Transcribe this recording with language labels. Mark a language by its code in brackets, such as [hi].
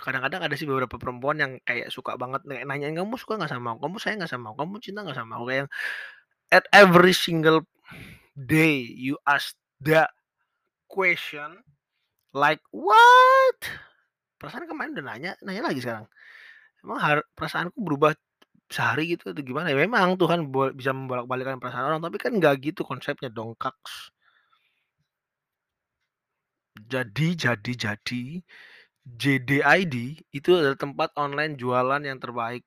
[id] Kadang-kadang ada sih beberapa perempuan yang kayak suka banget nanyain, kamu suka gak sama aku? Kamu sayang gak sama aku? Kamu cinta gak sama aku? Kayak yang [en] at every single day you ask the question, like what? [id] Perasaan kemarin udah nanya lagi sekarang. Emang perasaanku berubah sehari gitu atau gimana? Ya memang Tuhan bisa membolak-balikkan perasaan orang, tapi kan nggak gitu konsepnya dong, kaks. Jadi, JDID itu adalah tempat online jualan yang terbaik.